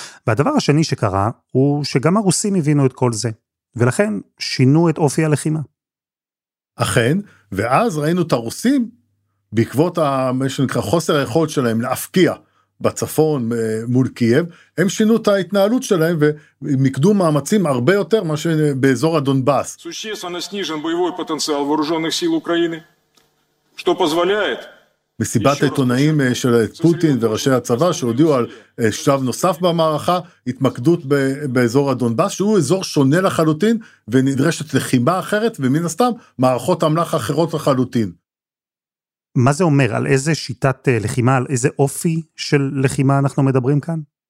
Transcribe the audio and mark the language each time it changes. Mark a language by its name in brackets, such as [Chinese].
[Hebrew] והדבר השני שקרה הוא שגם הרוסים הבינו את כל זה, ולכן שינו את אופי הלחימה. אכן, ואז ראינו את הרוסים בעקבות חוסר היכולת שלהם להפקיע, בצפון מול קייב, הם שינו את ההתנהלות שלהם ומקדו מאמצים הרבה יותר מה שבאזור הדונבאס. [Russian] Существенно снижен боевой потенциал вооружённых сил Украины, что позволяет. [Hebrew] מסיבת העיתונאים של פוטין וראשי הצבא שהודיעו על שלב נוסף במערכה, התמקדות באזור הדונבאס, שהוא אזור שונה לחלוטין ונדרשת לחימה אחרת ומן הסתם מערכות אמל"ח אחרות לחלוטין. מה זה אומר? על איזה שיטת לחימה, על איזה אופי של לחימה אנחנו מדברים כאן?